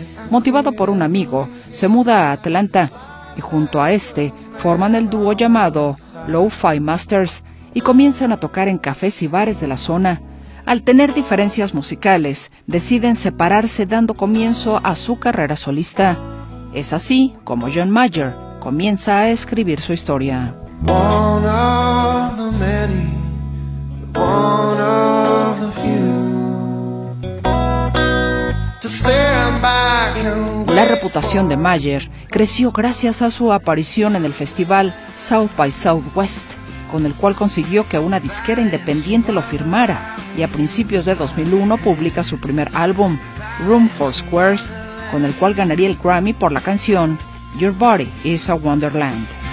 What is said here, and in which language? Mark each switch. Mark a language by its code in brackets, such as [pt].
[es] Motivado por un amigo, se muda a Atlanta y junto a este forman el dúo llamado Lo-Fi Masters y comienzan a tocar en cafés y bares de la zona. Al tener diferencias musicales, deciden separarse dando comienzo a su carrera solista. Es así como John Mayer comienza a escribir su historia. [en] One of the many, one of the few. To stand back and... [es] La reputación de Mayer creció gracias a su aparición en el festival South by Southwest, con el cual consiguió que una disquera independiente lo firmara, y a principios de 2001 publica su primer álbum, Room for Squares, con el cual ganaría el Grammy por la canción Your Body is a Wonderland.